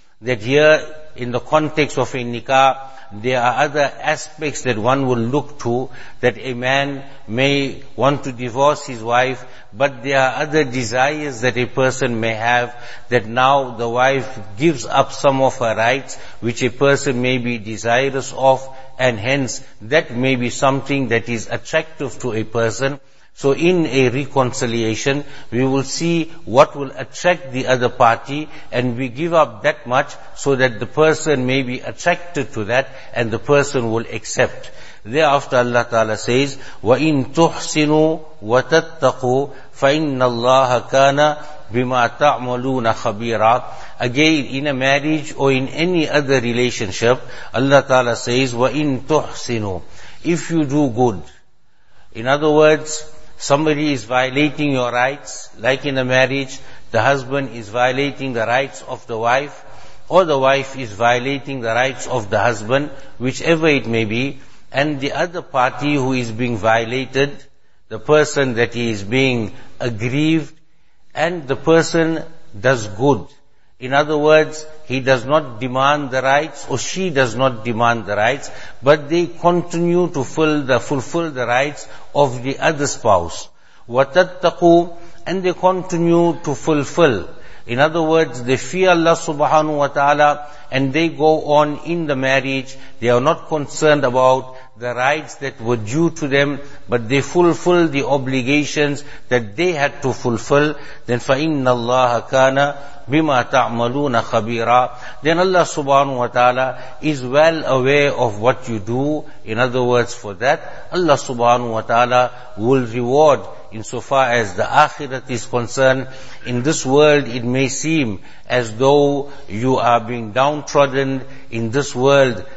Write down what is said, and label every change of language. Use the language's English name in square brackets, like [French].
[English] That here in the context of a nikah, there are other aspects that one will look to, that a man may want to divorce his wife, but there are other desires that a person may have, that now the wife gives up some of her rights, which a person may be desirous of, and hence that may be something that is attractive to a person. So in a reconciliation, we will see what will attract the other party, and we give up that much so that the person may be attracted to that and the person will accept. Thereafter Allah Ta'ala says, [Arabic] وَإِن تُحْسِنُوا وَتَتَّقُوا فَإِنَّ اللَّهَ كَانَ بِمَا تَعْمَلُونَ خَبِيرًا. [English] Again, in a marriage or in any other relationship, Allah Ta'ala says, [Arabic] وَإِن تُحْسِنُوا, [English] if you do good. In other words, somebody is violating your rights, like in a marriage, the husband is violating the rights of the wife, or the wife is violating the rights of the husband, whichever it may be, and the other party who is being violated, the person that is being aggrieved, and the person does good. In other words, he does not demand the rights, or she does not demand the rights, but they continue to fulfill the rights of the other spouse. [Arabic] وَتَتَّقُوا, [English] and they continue to fulfill. In other words, they fear Allah subhanahu wa ta'ala, and they go on in the marriage. They are not concerned about the rights that were due to them, but they fulfill the obligations that they had to fulfill. Then [Arabic] فَإِنَّ اللَّهَ كَانَ بِمَا تَعْمَلُونَ خَبِيرًا. [English] Then Allah subhanahu wa ta'ala is well aware of what you do. In other words, for that, Allah subhanahu wa ta'ala will reward insofar as the akhirat is concerned. In this world, it may seem as though you are being downtrodden. In this world,